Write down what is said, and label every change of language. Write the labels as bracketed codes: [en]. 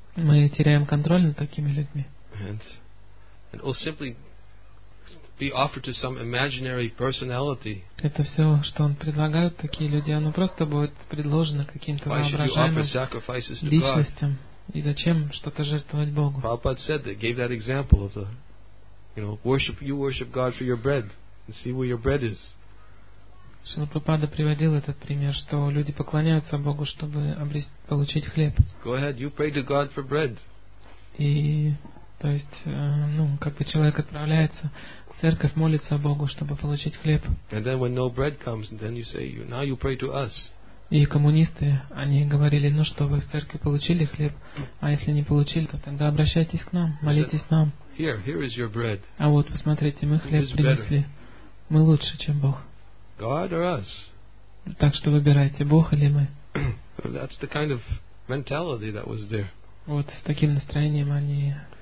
[ru] Мы теряем контроль над такими людьми. [en] And it will simply be offered to some imaginary personality. [ru] Это все, что он предлагает такие люди, оно просто будет предложено каким-то воображаемым личностям. И зачем что-то жертвовать Богу? [en] Prabhupada said that, gave that example of the, you know, worship. You worship God for your bread and see where your bread is. [ru] Шрила Прабхупада приводил этот пример, что люди поклоняются Богу, чтобы обрести, получить хлеб. [en] Go ahead, you pray to God for bread. [ru] И то есть, ну, как бы человек отправляется в церковь, молится Богу, чтобы получить хлеб. [en] And then when no bread comes, then you say, now you pray to us. [ru] И коммунисты, они говорили, ну что, вы в церкви получили хлеб, а если не получили, то тогда обращайтесь к нам, молитесь нам. [en] Here, here is your bread. [ru] А вот, посмотрите, мы хлеб принесли. Мы лучше, чем Бог. [en] God or us? [ru] Так что выбирайте, Бог или мы. [en] That's the kind of mentality that was there. [ru] Вот с таким настроением они